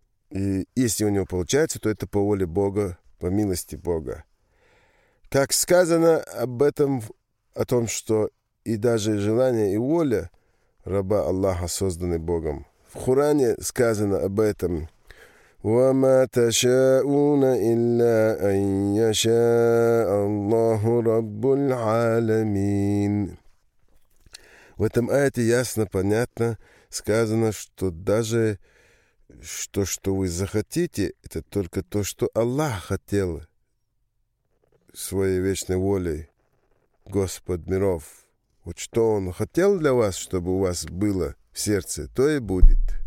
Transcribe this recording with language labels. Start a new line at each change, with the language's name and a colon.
Russian: И если у него получается, то это по воле Бога, по милости Бога. Как сказано об этом, о том, что и даже желание и воля раба Аллаха созданы Богом. В Коране сказано об этом.
Arabic: وما تشاءون إلا أن يشاء الله رب العالمين.
Russian: В этом аяте ясно, понятно сказано, что даже то, что вы захотите, это только то, что Аллах хотел своей вечной волей, Господ миров. Вот что Он хотел для вас, чтобы у вас было в сердце, то и будет.